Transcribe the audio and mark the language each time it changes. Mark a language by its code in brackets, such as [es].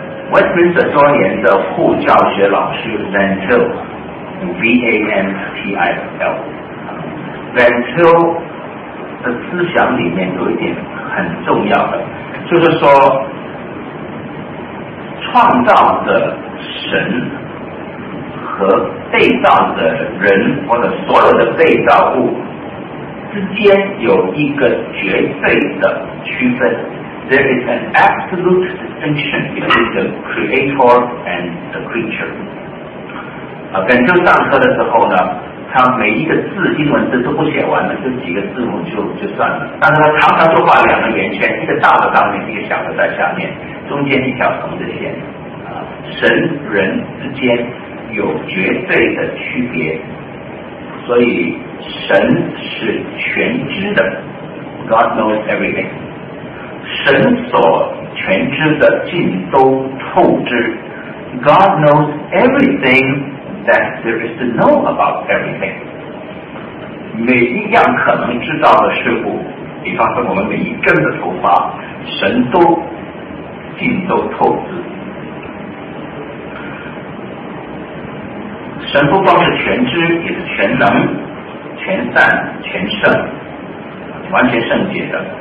[zh] Westminster 庄严的副教学老师 Vantil V-A-N-T-I-L Vantil 的思想里面有一点很重要的，就是说创造的神和被造的人或者所有的被造物之间有一个绝对的区分。 [en] There is an absolute distinction between the creator and the creature. [zh] 啊，本周上课的时候呢，他每一个字英文字都不写完了，就几个字母就算了。但是他常常就画两个圆圈，一个大的上面，一个小的在下面，中间一条横的线。啊，神人之间有绝对的区别，所以神是全知的 ， [en] God knows everything。 [zh] 神所全知的尽都透知 [en] God knows everything that there is to know about everything。 [zh] 每一样可能知道的事物，比方说我们每一根的头发，神都尽都透知。神不光是全知，也是全能、全善、全圣，完全圣洁的。